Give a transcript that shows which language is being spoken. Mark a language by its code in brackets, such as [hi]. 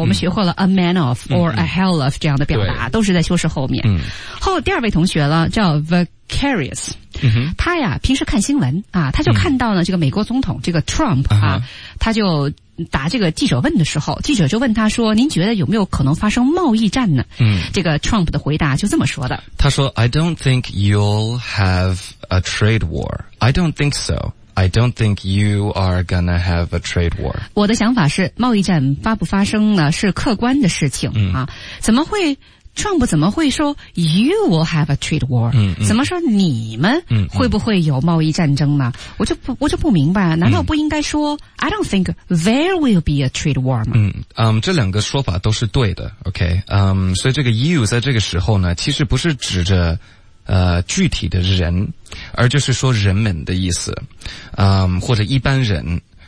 [zh] 我们学会了 a man of or、嗯、a hell of 这样的表达，都是在修饰后面。嗯、后第二位同学了，叫 Vicarious，、嗯、他呀平时看新闻啊，他就看到呢、嗯、这个美国总统这个 Trump 啊、嗯，他就答这个记者问的时候，记者就问他说：“您觉得有没有可能发生贸易战呢？” 嗯，这个 Trump 的回答就这么说的。 [en] 他说 ：“I don't think you'll have a trade war. I don't think so. I don't think you are gonna have a trade war.” [zh] 我的想法是，贸易战发不发生呢？是客观的事情、嗯、啊，怎么会？ Trump 怎么会说 [en] you will have a trade war？嗯， [zh] 怎么说你们会不会有贸易战争呢？嗯、我就不明白，难道不应该说、嗯、 [en] I don't think there will be a trade war [zh] 吗？嗯这两个说法都是对的 ，OK， 所以这个 you 在这个时候呢，其实不是指着具体的人，而就是说人们的意思，或者一般人。